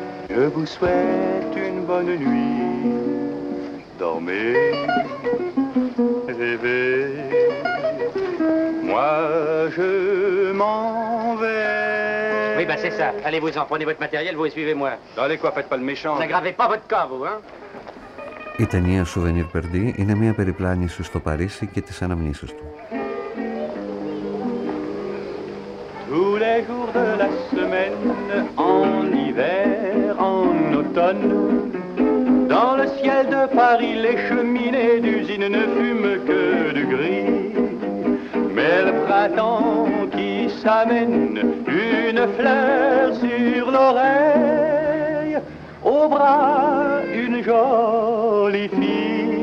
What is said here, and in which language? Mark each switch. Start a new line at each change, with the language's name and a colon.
French: Je vous souhaite une bonne nuit. Dormez, rêvez. Moi, je m'en vais. Oui, ben c'est ça. Allez-vous-en, prenez votre matériel, vous et suivez-moi. Allez quoi, faites pas le méchant. N'aggravez pas votre cas, vous, hein.
Greek: Η ταινία Souvenir Perdu είναι μια περιπλάνηση στο Παρίσι και τις αναμνήσεις του.
French: Tous les jours de la semaine, en hiver, en automne, dans le ciel de Paris, les cheminées d'usine ne fument que du gris. Mais le printemps qui s'amène, une fleur sur l'oreille, au bras, une jolie fille.